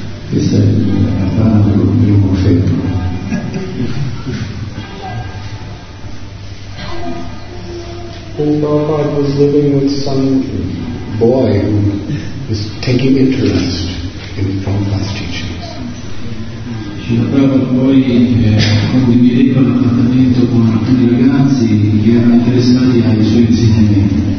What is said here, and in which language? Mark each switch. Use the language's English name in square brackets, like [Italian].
[Italian] Questa è la parola del mio profeta. [English] When Prabhupada was living with some boy who was taking interest in Prabhupada's teachings. [Italian] Srila Prabhupada poi condivideva l'appartamento con alcuni ragazzi che erano interessati ai suoi insegnamenti.